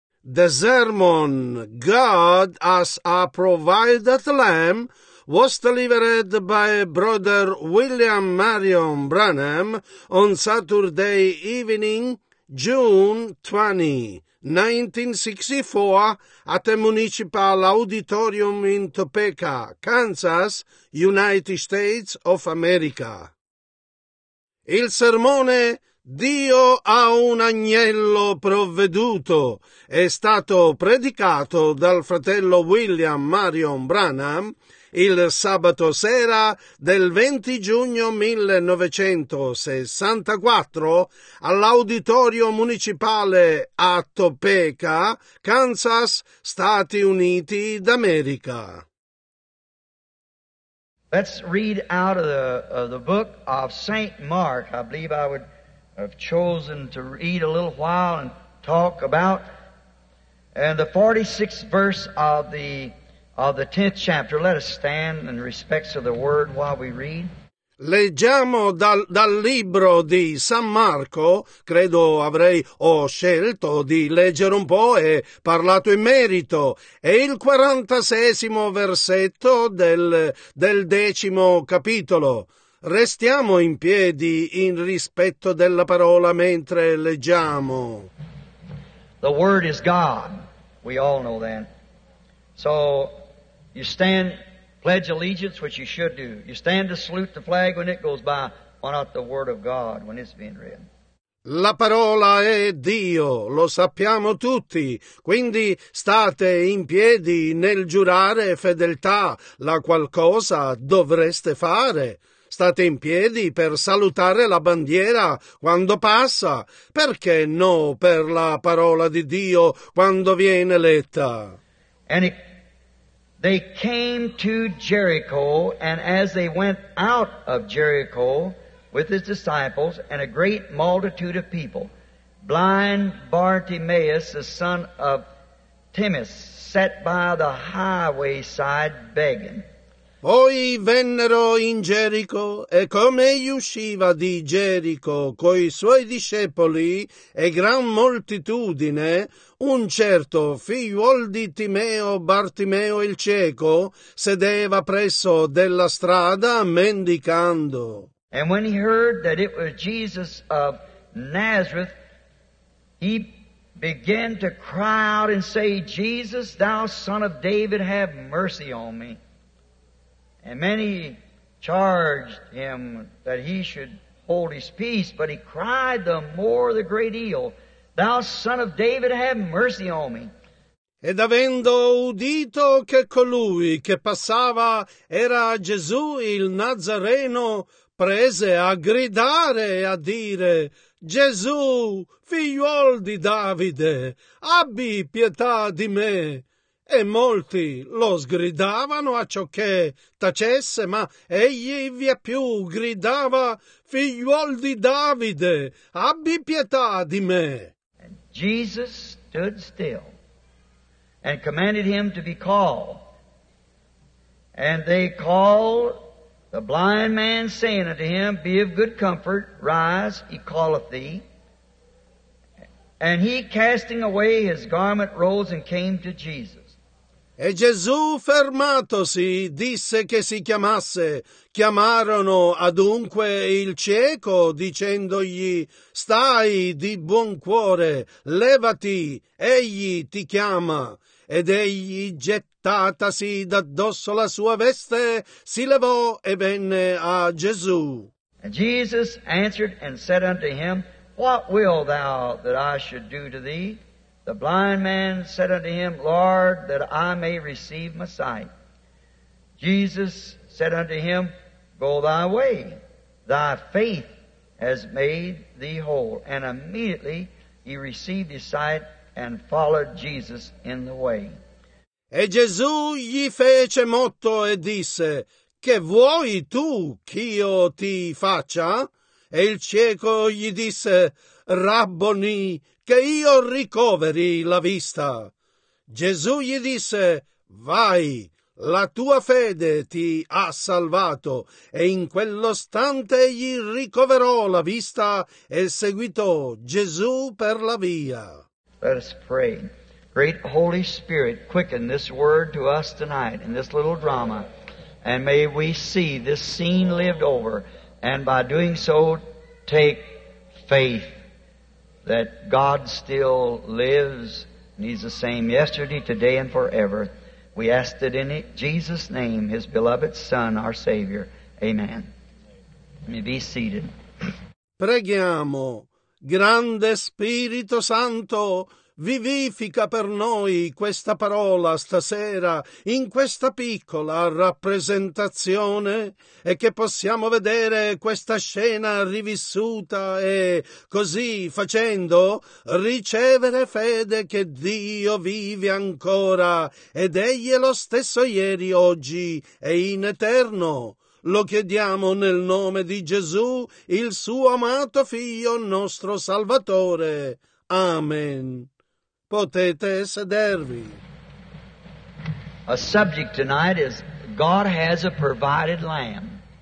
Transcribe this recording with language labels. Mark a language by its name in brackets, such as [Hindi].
[English] The sermon God as a provided lamb was delivered by Brother William Marion Branham on Saturday evening, June 20, 1964, at the Municipal Auditorium in Topeka, Kansas, United States of America. [Italian] Il sermone Dio ha un agnello provveduto è stato predicato dal fratello William Marion Branham il sabato sera del 20 giugno 1964 all'Auditorio Municipale a Topeka, Kansas, Stati Uniti d'America. [English] Let's read out of the book of St. Mark. I believe I would have chosen to read a little while and talk about. And the 46th verse of the 10th chapter. Let us stand in respects of the word while we read. [Italian] Leggiamo dal libro di San Marco, credo ho scelto di leggere un po' e parlato in merito, è il 46° versetto del decimo capitolo. Restiamo in piedi in rispetto della parola mentre leggiamo. [English] The word is God, we all know that. So you stand, pledge allegiance, which you should do. You stand to salute the flag when it goes by. Why not the word of God when it's being read? [Italian] La parola è Dio, lo sappiamo tutti. Quindi state in piedi nel giurare fedeltà. La qualcosa dovreste fare. State in piedi per salutare la bandiera quando passa. Perché no per la parola di Dio quando viene letta? [English] They came to Jericho, and as they went out of Jericho with his disciples and a great multitude of people, blind Bartimaeus, the son of Timaeus, sat by the highway side begging. [Italian] Poi vennero in Gerico, e come egli usciva di Gerico coi suoi discepoli e gran moltitudine, un certo figliuol di Timeo, Bartimeo il cieco, sedeva presso della strada mendicando. [English] And when he heard that it was Jesus of Nazareth, he began to cry out and say, Jesus, thou son of David, have mercy on me. And many charged him that he should hold his peace, but he cried the more the great deal, Thou son of David, have mercy on me. [Italian] Ed avendo udito che colui che passava era Gesù il Nazareno, prese a gridare e a dire, Gesù, figliuol di Davide, abbi pietà di me. E molti lo sgridavano a ciò che tacesse, ma egli vieppiù gridava, figliuol di Davide, abbi pietà di me. [English] And Jesus stood still and commanded him to be called. And they called the blind man, saying unto him, Be of good comfort, rise, he calleth thee. And he, casting away his garment, rose and came to Jesus. [Italian] E Gesù, fermatosi, disse che si chiamasse. Chiamarono adunque il cieco, dicendogli, Stai di buon cuore, levati, egli ti chiama. Ed egli, gettatasi d'addosso la sua veste, si levò e venne a Gesù. [English] And Jesus answered and said unto him, What wilt thou that I should do to thee? The blind man said unto him, Lord, that I may receive my sight. Jesus said unto him, Go thy way, thy faith has made thee whole. And immediately he received his sight and followed Jesus in the way. [Italian] E Gesù gli fece motto e disse, Che vuoi tu ch'io ti faccia? E il cieco gli disse, Rabboni, che io ricoveri la vista. Gesù gli disse, Vai, la tua fede ti ha salvato. E in quell'istante gli ricoverò la vista e seguitò Gesù per la via. [English] Let us pray. Great Holy Spirit, quicken this word to us tonight in this little drama, and may we see this scene lived over, and by doing so, take faith that God still lives, and He's the same yesterday, today, and forever. We ask that in Jesus' name, His beloved Son, our Savior. Amen. You may be seated. [Italian] Preghiamo, grande Spirito Santo, vivifica per noi questa parola stasera in questa piccola rappresentazione e che possiamo vedere questa scena rivissuta e così facendo ricevere fede che Dio vive ancora ed Egli è lo stesso ieri, oggi e in eterno. Lo chiediamo nel nome di Gesù, il suo amato Figlio, nostro Salvatore. Amen. Potete sedervi. [English] A subject tonight is God has a provided lamb.